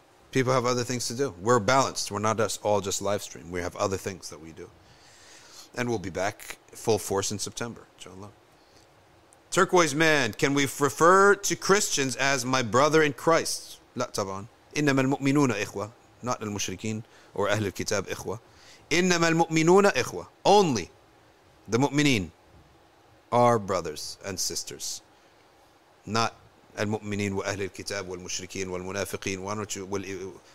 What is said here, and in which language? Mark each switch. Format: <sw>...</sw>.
<en>People have other things to do. We're balanced. We're not all just live stream. We have other things that we do. And we'll be back full force in September, inshallah. Turquoise man, can we refer to Christians as my brother in Christ?</en> <ar>لا طبعا. إنما المؤمنون إخوة. Not المشركين or أهل الكتاب إخوة. إنما المؤمنون إخوة.</ar> <en>Only the mu'mineen are brothers and sisters.</en> <ar>Not المؤمنين وأهل الكتاب والمشركين والمنافقين.</ar>